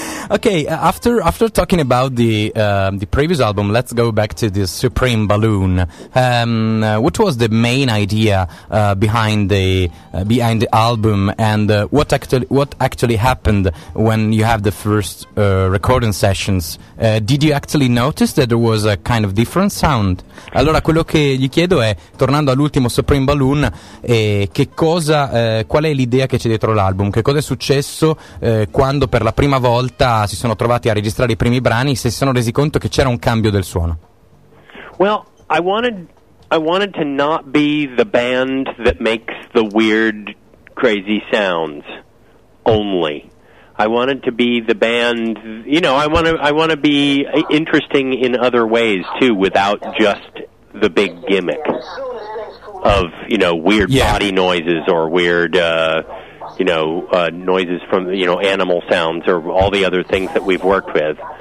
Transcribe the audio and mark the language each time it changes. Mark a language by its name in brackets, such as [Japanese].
[English] Okay, after talking about the previous album, let's go back to this Supreme Balloon. What was the main idea behind the album, and what actually happened when you have the first recording sessions? Did you actually notice that there was a kind of different sound? [Italian] Allora, quello che gli chiedo è, tornando all'ultimo Supreme Balloon, che cosa, qual è l'idea che c'è dietro l'album? Che cosa è successo quando per la prima volta si sono trovati a registrare i primi brani, se si sono resi conto che c'era un cambio del suono? [English] Well, I wanted to not be the band that makes the weird, crazy sounds only. I wanted to be the band, you know, I want to be interesting in other ways too, without just the big gimmick of, you know, weird body noises or weird noises from, you know, animal sounds or all the other things that we've worked with.